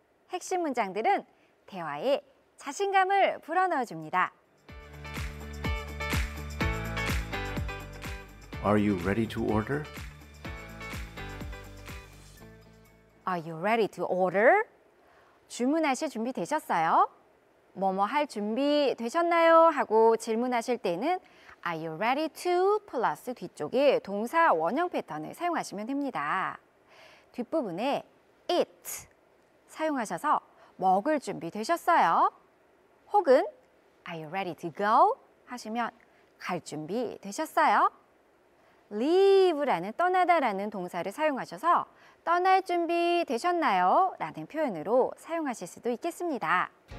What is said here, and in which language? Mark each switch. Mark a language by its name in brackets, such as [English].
[Korean] 핵심 문장들은 대화에 자신감을 불어넣어 줍니다. [English] Are you ready to order? Are you ready to order? [Korean] 주문하실 준비 되셨어요? 뭐뭐 할 준비 되셨나요? 하고 질문하실 때는 [English] Are you ready to? [Korean] 플러스 뒤쪽에 동사 원형 패턴을 사용하시면 됩니다. 뒷부분에 it 사용하셔서 먹을 준비 되셨어요? 혹은 [English] Are you ready to go? [Korean] 하시면 갈 준비 되셨어요? leave라는 떠나다라는 동사를 사용하셔서 떠날 준비 되셨나요? 라는 표현으로 사용하실 수도 있겠습니다.